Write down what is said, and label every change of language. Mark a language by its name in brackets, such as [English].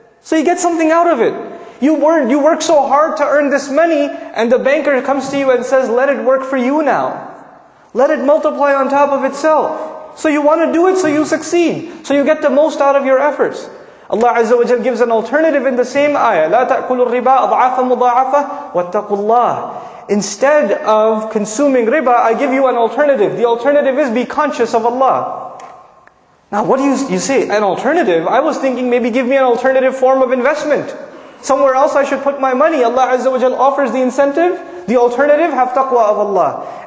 [English] So you get something out of it. You work so hard to earn this money, and the banker comes to you and says, let it work for you now. Let it multiply on top of itself. So you want to do it so you succeed. So you get the most out of your efforts. Allah Azza wa Jalla gives an alternative in the same ayah. [Arabic] لا تأكلوا الربا أضعافا مضاعفة واتقوا الله. [English] Instead of consuming riba, I give you an alternative. The alternative is be conscious of Allah. Now what do you say? An alternative? I was thinking maybe give me an alternative form of investment. Somewhere else I should put my money. Allah Azza wa Jalla offers the incentive. The alternative, have taqwa of Allah.